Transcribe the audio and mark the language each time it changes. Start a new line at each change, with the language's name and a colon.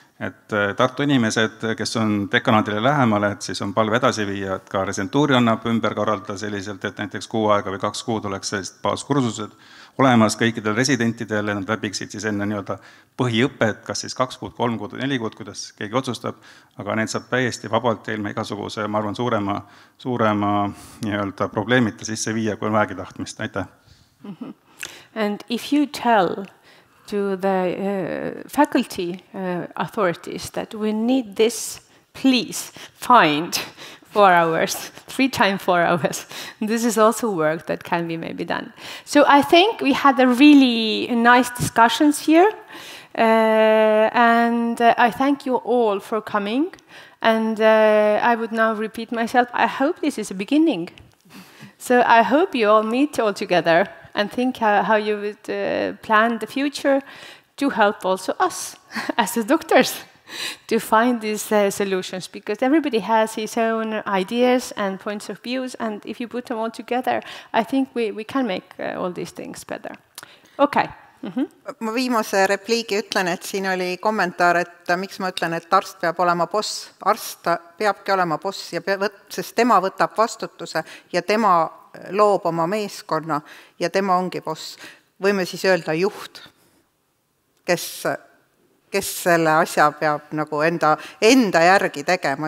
Estonian: Et Tartu inimesed, kes on dekanaadile lähemale, et siis on palve edasi viia, et ka residentuuri annab ümber korralda selliselt, et näiteks kuu aega või kaks kuud oleks sellist baaskursused olemas kõikidel residentidel ja nad läbiksid siis enne nii-öelda põhiõpet, kas siis kaks kuud, kolm kuud või neli kuud, kuidas keegi otsustab, aga need saab täiesti vabalt ilma igasuguse, ma arvan, suurema nii-öelda probleemita sisse viia, kui on vähegi tahtmist. Aitäh.
English: And if you tell to the faculty authorities that we need this, please find 4 hours, 3 times 4 hours. This is also work that can be maybe done. So I think we had a really nice discussions here. And I thank you all for coming. And I would now repeat myself. I hope this is a beginning. So I hope you all meet all together and think how you would plan the future to help also us as the doctors to find these solutions, because everybody has his own ideas and points of views, and if you put them all together, I think we can make all these things better. Okay. Mm-hmm.
Estonian: Ma viimase repliigi ütlen, et siin oli kommentaar, et miks ma ütlen, et arst peab olema boss. Arst peabki olema boss, ja sest tema võtab vastutuse ja tema loob oma meeskonna ja tema ongi boss. Võime siis öelda juht, kes selle asja peab nagu enda järgi tegema.